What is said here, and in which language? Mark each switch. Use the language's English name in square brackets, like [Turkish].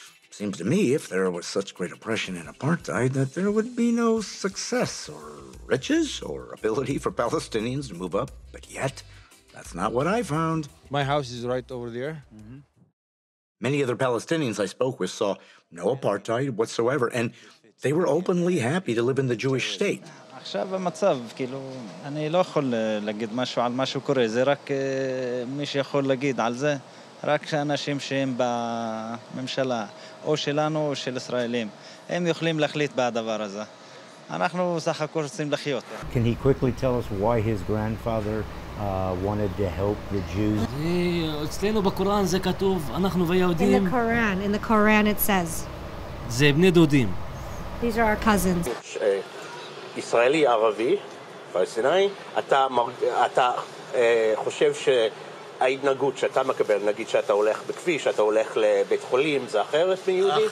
[English] Seems to me if there was such great oppression and apartheid that there would be no success or riches or ability for Palestinians to move up. But yet, that's not what I found. My house is right over there. Mm-hmm. Many other Palestinians I spoke with saw no apartheid whatsoever, and they were openly happy to live in the Jewish state. [Hebrew] עכשיו המצב, כאילו, אני לא יכול להגיד משהו על מה שקורה, זה רק מי שיכול להגיד על זה, רק אנשים שהם בממשלה, או שלנו או של ישראלים, הם יכולים להחליט בדבר הזה. אנחנו סך הכל רוצים לחיות. [English] Can he quickly tell us why his grandfather wanted to help the Jews? [Hebrew] אצלנו בקוראן זה כתוב, אנחנו ויהודים. [English] In the Quran it says. [Hebrew] זה בני דודים. [English] These are our cousins. [Hebrew] ישראלי ערבי, פלסטיני, אתה חושב שההתנהגות שאתה מקבל, נגיד שאתה הולך בכביש, אתה הולך לבית חולים, זה אחרת מיהודי?